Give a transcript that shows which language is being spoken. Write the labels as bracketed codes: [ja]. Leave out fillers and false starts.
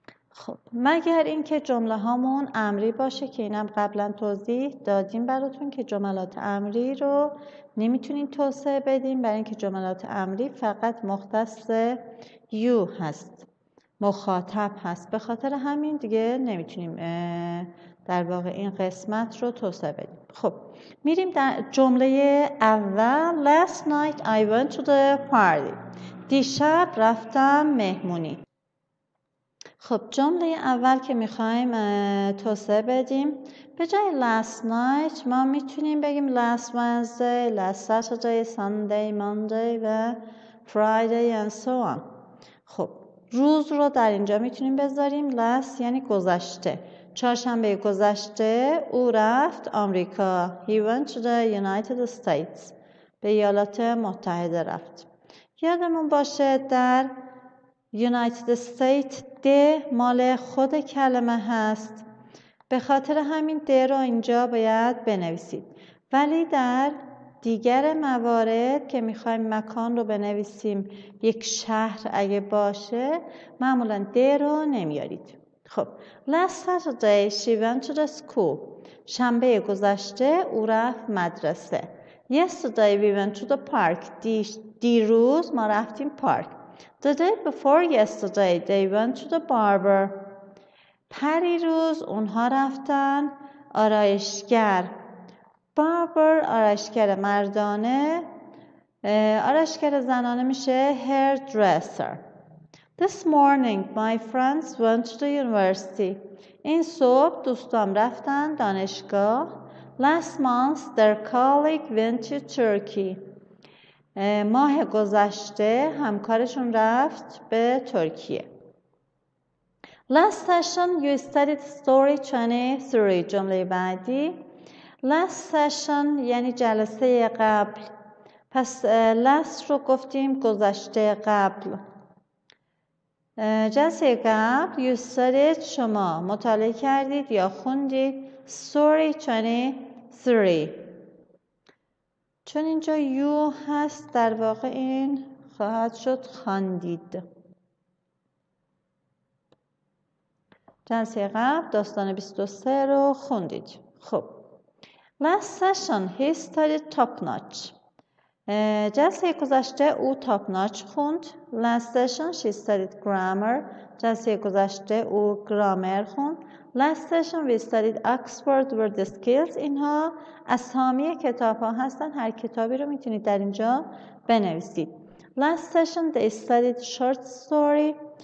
[fa] خب مگر اینکه جمله هامون امری باشه، که اینم قبلا توضیح دادیم براتون که جملات امری رو نمیتونیم توسعه بدیم، برای اینکه جملات امری فقط مختص یو هست، مخاطب هست، به خاطر همین دیگه نمیتونیم در واقع این قسمت رو توسعه بدیم. خب میریم در جمله اول. [en] Last night I went to the party. [fa] دیشب رفتم مهمونی. خب جمله اول که میخوایم توسعه بدیم، به جای [en] last night [fa] ما میتونیم بگیم [en] last Wednesday, last Saturday, Sunday, Monday [fa] و [en] Friday and so on. [fa] خب روز رو در اینجا میتونیم بذاریم، last یعنی گذشته. چهارشنبه گذشته او رفت آمریکا. [en] He went to the United States. [fa] به ایالات متحده رفت. یادمون باشه در United States د مال خود کلمه هست، به خاطر همین د رو اینجا باید بنویسید. ولی در دیگر موارد که میخوایم مکان رو بنویسیم، یک شهر اگه باشه، معمولا د رو نمیارید. [en] خب last Saturday she went to the school. [fa] شنبه گذشته او رفت مدرسه. [en] Yesterday we went to the park. [fa] دیروز ما رفتیم پارک. [en] The day before yesterday they went to the barber. [fa] پریروز اونها رفتن آرایشگر. Barber آرایشگر مردانه، آرایشگر زنانه میشه hairdresser. [en] This morning my friends went to the university. [fa] این صبح دوستام رفتن دانشگاه. [en] Last month their colleague went to Turkey. [fa] ماه گذشته همکارشون رفت به ترکیه. [en] Last session you studied story 23. [fa] جمله بعدی. [en] Last session [fa] یعنی جلسه قبل. پس last رو گفتیم گذشته قبل. جلسه قبل [en] you studied، [fa] شما مطالعه کردید یا خوندید [en] story 23. [fa] چون اینجا یو هست در واقع این خواهد شد خاندید. جلسه قبل داستان 23 رو خوندید. [en] خب last session he studied top notch. [fa] جلسه گذشته او top notch خوند. [en] Last session she studied grammar. [fa] جلسه گذشته او گرامر خوند. [en] Last session we studied Oxford Word Skills. [fa] اینها اسامی کتاب ها هستن، هر کتابی رو میتونید در اینجا بنویسید. [en] Last session they studied short story.